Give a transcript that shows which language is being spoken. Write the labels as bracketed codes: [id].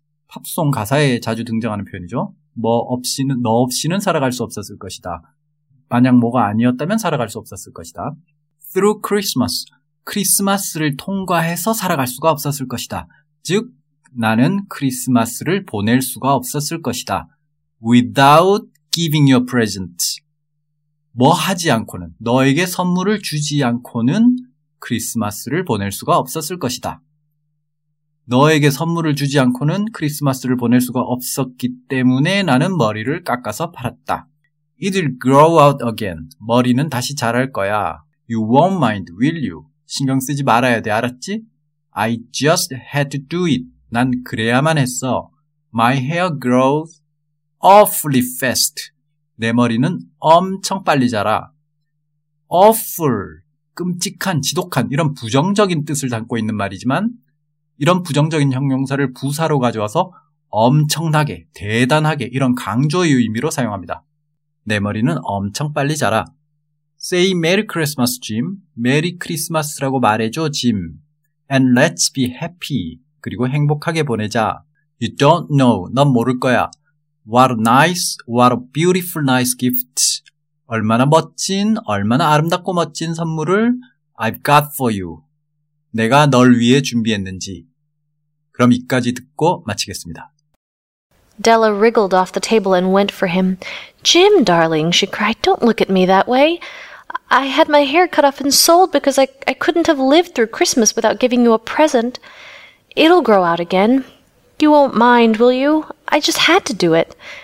[ko] 팝송 가사에 자주 등장하는 표현이죠. 뭐 없이는, 너 없이는 살아갈 수 없었을 것이다. 만약 뭐가 아니었다면 살아갈 수 없었을 것이다. [en] Through Christmas. [ko] 크리스마스를 통과해서 살아갈 수가 없었을 것이다. 즉, 나는 크리스마스를 보낼 수가 없었을 것이다. [en] Without giving you a present. [ko] 뭐 하지 않고는, 너에게 선물을 주지 않고는 크리스마스를 보낼 수가 없었을 것이다. 너에게 선물을 주지 않고는 크리스마스를 보낼 수가 없었기 때문에 나는 머리를 깎아서 팔았다. [en] It'll grow out again. [ko] 머리는 다시 자랄 거야. [en] You won't mind, will you? [ko] 신경 쓰지 말아야 돼, 알았지? [en] I just had to do it. [ko] 난 그래야만 했어. [en] My hair grows awfully fast. [ko] 내 머리는 엄청 빨리 자라. Awful, 끔찍한, 지독한 이런 부정적인 뜻을 담고 있는 말이지만 이런 부정적인 형용사를 부사로 가져와서 엄청나게, 대단하게 이런 강조의 의미로 사용합니다. 내 머리는 엄청 빨리 자라. [en] Say Merry Christmas, Jim. [ko] Merry Christmas라고 말해줘, Jim. [en] And let's be happy. [ko] 그리고 행복하게 보내자. [en] You don't know. [ko] 넌 모를 거야. [en] What a nice, what a beautiful nice gift. [ko] 얼마나 멋진, 얼마나 아름답고 멋진 선물을 [en] I've got for you. [ko] 내가 널 위해 준비했는지. 그럼 이까지 듣고 마치겠습니다. [en] Della wriggled off the table and went for him. Jim, darling, she cried, don't look at me that way. I had my hair cut off and sold because I couldn't have lived through Christmas without giving you a present. It'll grow out again. You won't mind, will you? I just had to do it.